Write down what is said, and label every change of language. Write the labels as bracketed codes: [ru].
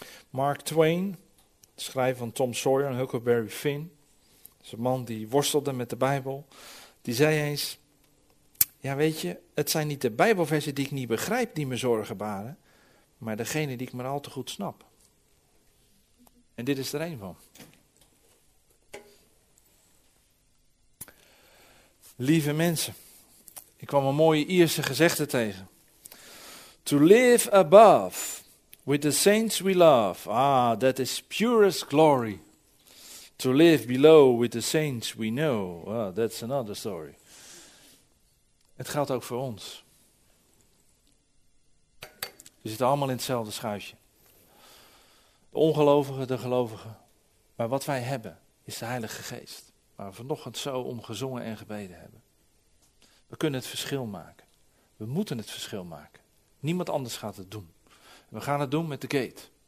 [nl] Mark Twain, schrijver van Tom Sawyer en Huckleberry Finn, is een man die worstelde met de Bijbel, die zei eens, ja weet je, het zijn niet de Bijbelversen die ik niet begrijp die me zorgen baren, maar degene die ik maar al te goed snap. En dit is er een van. Lieve mensen, ik kwam een mooie Ierse gezegde tegen. [en] To live above, with the saints we love, ah, that is purest glory. To live below, with the saints we know, ah, that's another story. [nl] Het geldt ook voor ons. We zitten allemaal in hetzelfde schuitje. De ongelovigen, de gelovigen. Maar wat wij hebben, is de Heilige Geest. Waar we vanochtend zo om gezongen en gebeden hebben. We kunnen het verschil maken. We moeten het verschil maken. Niemand anders gaat het doen. We gaan het doen met de gate.